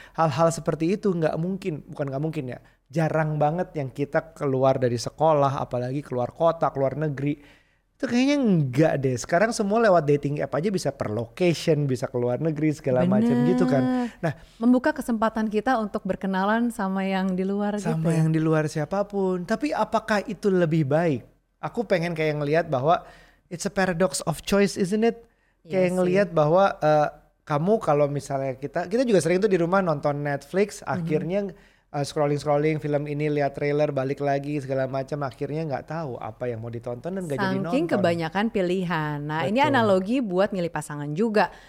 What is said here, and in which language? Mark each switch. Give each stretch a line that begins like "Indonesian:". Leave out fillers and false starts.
Indonesian: Hal-hal seperti itu gak mungkin, bukan gak mungkin ya. Jarang banget yang kita keluar dari sekolah, apalagi keluar kota, keluar negeri. Itu kayaknya enggak deh. Sekarang semua lewat dating app aja bisa per location, bisa ke luar negeri segala macam gitu kan. Nah, membuka kesempatan kita untuk berkenalan sama yang di luar sama gitu. Sama yang di luar siapapun. Tapi apakah itu lebih baik? Aku pengen kayak ngelihat bahwa
English: it's a paradox of choice, isn't it?
Indonesian: Kayak iya ngelihat bahwa kamu kalau misalnya kita juga sering tuh di rumah nonton Netflix, akhirnya scrolling-scrolling film ini, lihat trailer, balik lagi segala macam, akhirnya nggak tahu apa yang mau ditonton dan nggak jadi nonton. Saking kebanyakan pilihan. Nah, betul. Ini analogi buat milih pasangan juga.